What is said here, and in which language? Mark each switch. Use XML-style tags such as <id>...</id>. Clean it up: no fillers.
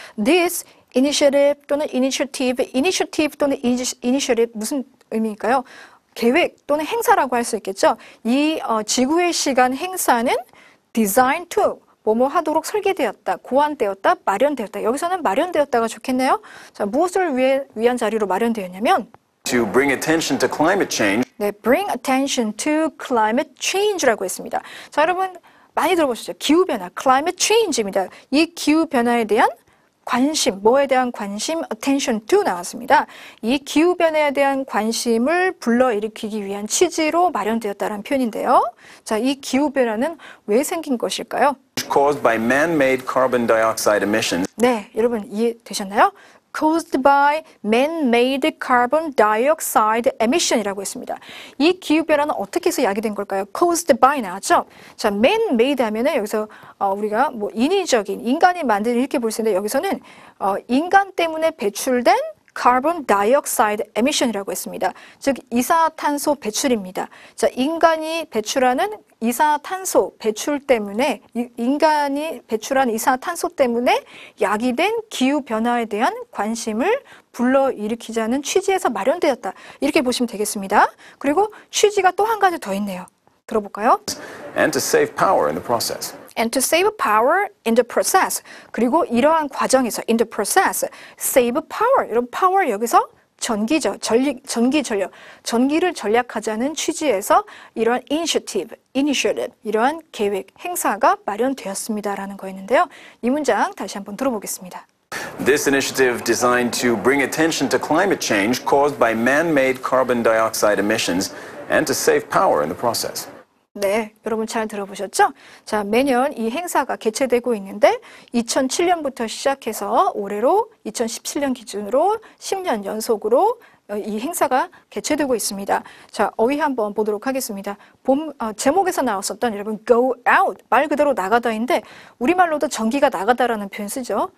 <en>This initiative</en> <ko>또는 initiative 또는 initiative 무슨 의미일까요? 계획 또는 행사라고 할 수 있겠죠. 이 지구의 시간 행사는</ko> <en>designed to</en> <ko>뭐뭐 하도록 설계되었다, 고안되었다, 마련되었다. 여기서는 마련되었다가 좋겠네요. 자, 무엇을 위한 자리로 마련되었냐면</ko> <en>to bring attention to climate change. 네, bring attention to climate change라고 했습니다.</en> <ko>자, 여러분 많이 들어보셨죠? 기후 변화,</ko> <en>climate change</en> <ko>입니다. 이 기후 변화에 대한 관심, 뭐에 대한 관심,</ko> <en>attention to</en> <ko>나왔습니다. 이 기후변화에 대한 관심을 불러일으키기 위한 취지로 마련되었다는 표현인데요. 자, 이 기후변화는 왜 생긴 것일까요?</ko> <en>Caused by man-made carbon dioxide emissions.</en> <ko>네, 여러분 이해되셨나요?</ko> <en>Caused by man-made carbon dioxide emission이라고 했습니다.</en> <ko>이 기후변화는 어떻게 해서 야기된 걸까요? Caused by 나왔죠? 자, man-made 하면 여기서 우리가 뭐 인위적인, 인간이 만든 이렇게 볼 수 있는데 여기서는 인간 때문에 배출된</ko> <en>carbon dioxide emission</en> <ko>이라고 했습니다. 즉, 이산화탄소 배출입니다. 자, 인간이 배출하는 이산화탄소 배출 때문에 인간이 배출한 이산화탄소 때문에 야기된 기후 변화에 대한 관심을 불러일으키자는 취지에서 마련되었다. 이렇게 보시면 되겠습니다. 그리고 취지가 또 한 가지 더 있네요. 들어볼까요?</ko> <en>And to save power in the process. And to save power in the process.</en> <ko>그리고 이러한 과정에서</ko> <en>in the process save power.</en> <ko>여러분 power 여기서 전기죠. 전기 전력. 전기를 절약하자는 취지에서 이러한 initiative, 이러한 계획, 행사가 마련되었습니다라는 거였는데요. 이 문장 다시 한번 들어보겠습니다.</ko> <en>This initiative designed to bring attention to climate change caused by man-made carbon dioxide emissions and to save power in the process.</en> <ko>네, 여러분 잘 들어보셨죠? 자, 매년 이 행사가 개최되고 있는데 2007년부터 시작해서 올해로 2017년 기준으로 10년 연속으로 이 행사가 개최되고 있습니다. 자, 어휘 한번 보도록 하겠습니다. 제목에서 나왔었던 여러분 go out, 말 그대로 나가다인데 우리말로도 전기가 나가다라는 표현 쓰죠.</ko>